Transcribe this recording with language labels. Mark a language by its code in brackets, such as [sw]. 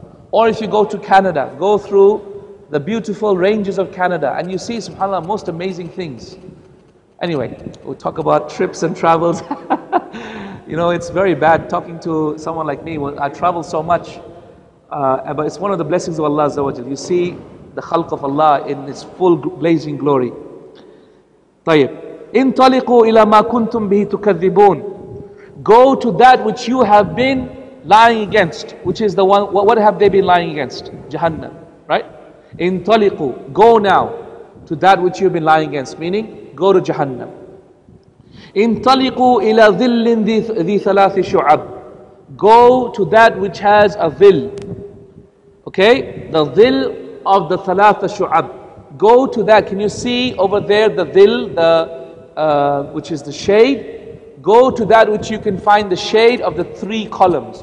[en] Or if you go to Canada, go through the beautiful ranges of Canada and you see, subhanAllah, most amazing things. Anyway, we'll talk about trips and travels. You know, it's very bad talking to someone like me. I travel so much. But it's one of the blessings of Allah Azza wa Jal. You see the khalq of Allah in its full blazing glory. Tayyib. [ar] انطلقوا إلى ما كنتم به تكذبون. [en] Go to that which you have been lying against, which is the one. What have they been lying against? Jahannam, right? [ar] انطلقوا, [en] go now to that which you have been lying against, meaning go to Jahannam. [ar] انطلقوا إلى ظل ذي ثلاث شعب. [en] Go to that which has a ظل. Okay, the ظل of the [ar] ثلاث شعب. [en] Go to that. Can you see over there the ظل, the which is the shade? Go to that which you can find the shade of the three columns.